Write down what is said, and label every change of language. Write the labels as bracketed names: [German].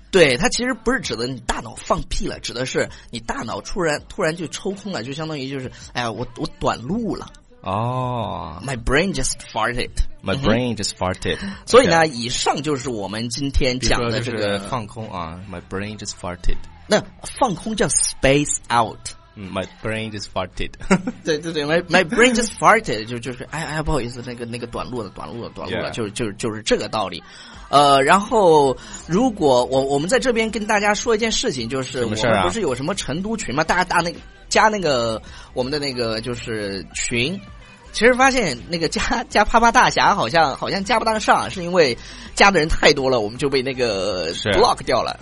[Chinese] 对，它其实不是指的你大脑放屁了，指的是你大脑突然就抽空了，就相当于就是哎呀，我短路了。哦、oh, [English] ，My brain just farted. My brain just farted.、Okay. [Chinese] 所以呢，以上就是我们今天讲的这个放空啊。 [English] My brain just farted. [Chinese] 那放空叫 [English] space out. My brain just farted. [Chinese] 对对对 [English] ，My brain just farted. [Chinese] 就是哎不好意思，那个短路了、 [English] yeah. [Chinese] 就是这个道理。然后如果我们在这边跟大家说一件事情，就是什么事、啊、我们不是有什么成都群吗？加那个我们的那个就是群，其实发现那个加啪啪大侠好像加不当上，是因为加的人太多了，我们就被那个 block 掉了。